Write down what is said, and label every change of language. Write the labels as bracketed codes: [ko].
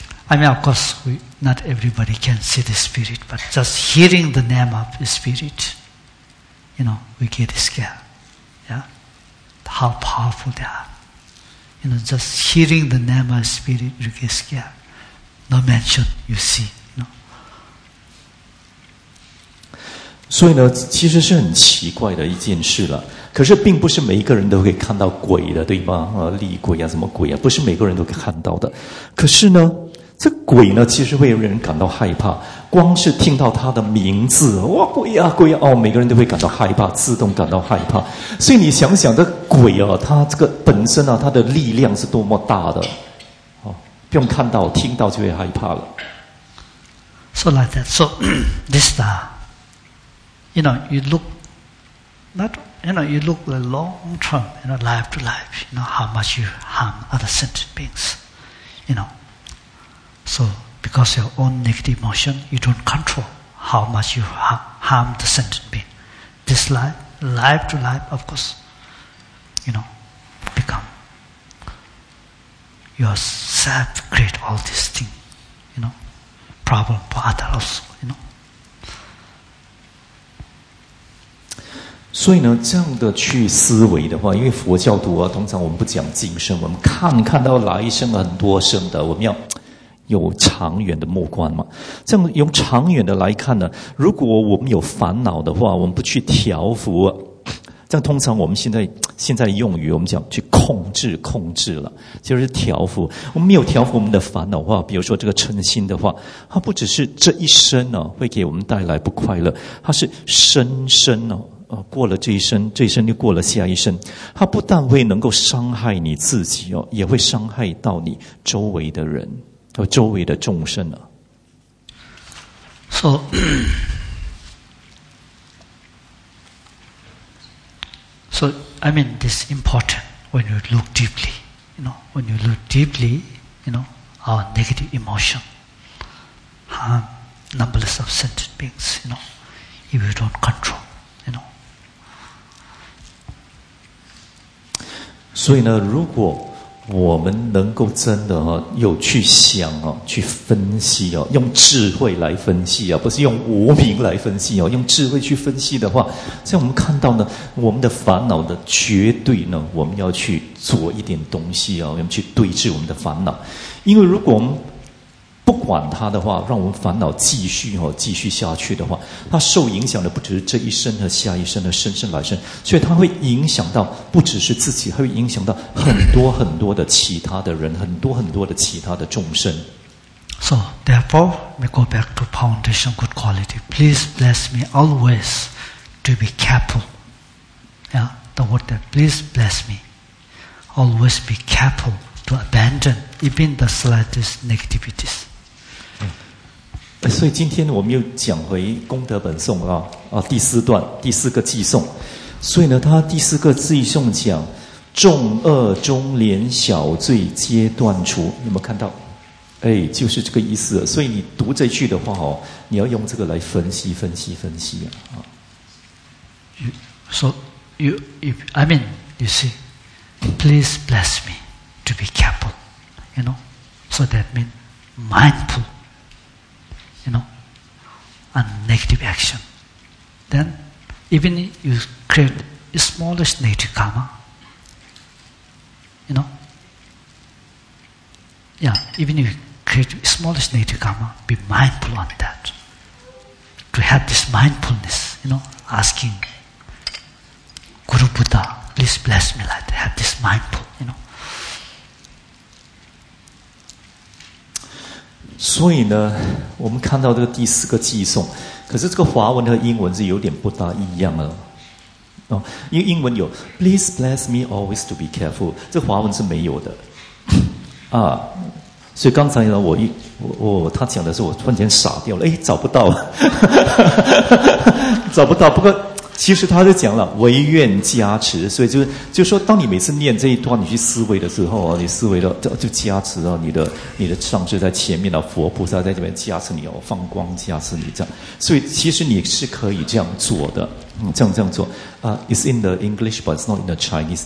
[en] I mean, of course, we, not everybody can see the spirit, but just hearing the name of the spirit, you know, we get scared. Yeah? How powerful they are. You know, just hearing the name of the spirit, you get scared. No mention, you see. No. [zh] 所以呢，其实是很奇怪的一件事了。可是并不是每一个人都可以看到鬼的，对吗？厉鬼啊，什么鬼啊，不是每个人都可以看到的。可是呢，这鬼呢，其实会让人感到害怕。光是听到他的名字，哇，鬼啊，鬼啊，哦，每个人都会感到害怕，自动感到害怕。所以你想想，这鬼啊，他这个本身啊，他的力量是多么大的，哦，不用看到，听到就会害怕了。 [en] So like that. So this, you know, you look, not, you know, you look the long term, you know, life to life, you know, how much you harm other sentient beings, you know. So, because your own negative emotion, you don't control how much you harm the sentient being. This life, life to life, of course, you know, become yourself create all these things, you know, problem for others also, you know. [zh] 所以呢，这样的去思维的话，因为佛教徒啊，通常我们不讲今生，我们看到来生很多生的，我们要有长远的目光嘛？这样用长远的来看呢，如果我们有烦恼的话，我们不去调伏，这样通常我们现在用语，我们讲去控制了，就是调伏。我们没有调伏我们的烦恼的话，比如说这个嗔心的话，它不只是这一生呢，会给我们带来不快乐，它是生生呢。过了这一生，这一生就过了下一生，它不但会能够伤害你自己哦，也会伤害到你周围的人。和周围的众生啊。 [en] So, so I mean, this is important when you look deeply, you know, when you look deeply, you know, our negative emotion, numberless of sentient beings, you know, if you don't control. [zh] 所以呢，如果我们能够真的有去想去分析，用智慧来分析，不是用无明来分析，用智慧去分析的话，像我们看到呢，我们的烦恼的绝对呢，我们要去做一点东西，我们去对治我们的烦恼。因为如果我们不管它的话，让我们烦恼继续下去的话，它受影响的不只是这一生和下一生的生生来生，所以它会影响到不只是自己，它会影响到很多很多的其他的人，很多很多的其他的众生。 [en] So therefore, we go back to foundation good quality. Please bless me always to be careful. Yeah, the word that please bless me always be careful. To abandon even the slightest negativities. [zh] 所以今天我们又讲回功德本颂第四段第四个偈颂。所以呢，他第四个偈颂讲：众恶中连小罪皆断除。你有没有看到？就是这个意思。所以你读这句的话你要用这个来分析啊。 [en] You see, please bless me. To be careful, you know, so that means mindful, you know, and negative action. Then, even if you create the smallest negative karma, you know, be mindful on that. To have this mindfulness, you know, asking Guru Buddha, please bless me like that, have this mindful, you know. [zh] 所以呢，我们看到这个第四个偈颂，可是这个华文和英文是有点不大一样了。哦，因为英文有 [en] "Please bless me always to be careful"， [zh] 这华文是没有的啊。所以刚才呢，他讲的时候，我突然间傻掉了，哎，找不到了，找不到。不过其实他就讲了唯愿加持，所以就说，当你每次念这一段，你去思维的时候啊，你思维的就加持啊，你的上师在前面的佛菩萨在这边加持你哦，放光加持你这样。所以其实你是可以这样做的，这样做啊。 [en] It's in the English, but it's not in the Chinese.